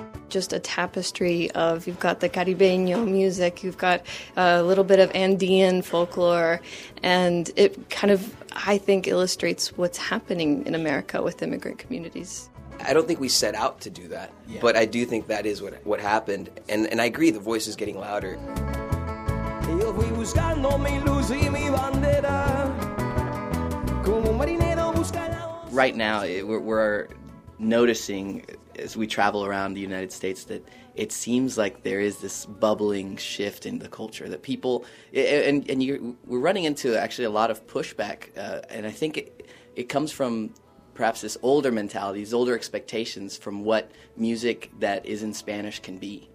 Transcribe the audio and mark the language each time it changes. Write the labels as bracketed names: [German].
[English] Just a tapestry of, you've got the Caribeño music, you've got a little bit of Andean folklore, and it kind of, I think, illustrates what's happening in America with immigrant communities. I don't think we set out to do that, yeah. But I do think that is what happened, and I agree, the voice is getting louder. [Spanish] Yo fui buscando mi luz y mi bandera, como marinero buscando... [English] Right now, we're noticing, as we travel around the United States, that it seems like there is this bubbling shift in the culture that people, and we're running into actually a lot of pushback, and I think it comes from perhaps this older mentality, these older expectations from what music that is in Spanish can be.